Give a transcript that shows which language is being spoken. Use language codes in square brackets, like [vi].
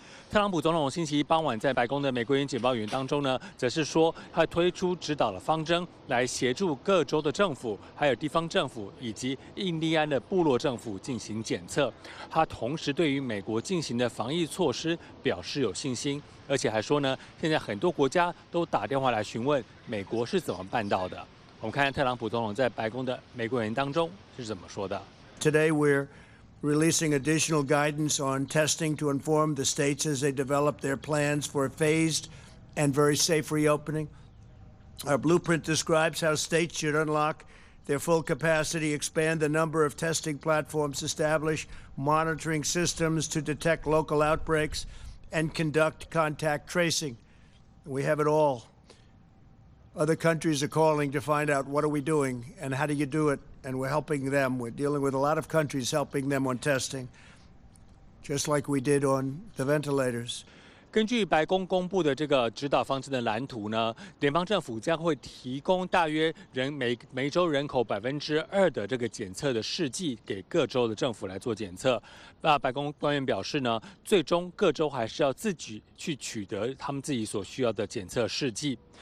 [zh] 特朗普总统星期一傍晚在白宫的玫瑰园简报员当中呢，则是说他推出指导的方针，来协助各州的政府、还有地方政府以及印第安的部落政府进行检测。他同时对于美国进行的防疫措施表示有信心，而且还说呢，现在很多国家都打电话来询问美国是怎么办到的。我们看看特朗普总统在白宫的玫瑰园当中是怎么说的。 [en] Today we're releasing additional guidance on testing to inform the states as they develop their plans for a phased and very safe reopening. Our blueprint describes how states should unlock their full capacity, expand the number of testing platforms, establish monitoring systems to detect local outbreaks, and conduct contact tracing. We have it all. Other countries are calling to find out what are we doing and how do you do it. And we're helping them. We're dealing with a lot of countries helping them on testing, just like we did on the ventilators. [zh] 根据白宫公布的这个指导方针的蓝图呢，联邦政府将会提供大约每州人口2%的这个检测的试剂给各州的政府来做检测。那白宫官员表示呢，最终各州还是要自己去取得他们自己所需要的检测试剂。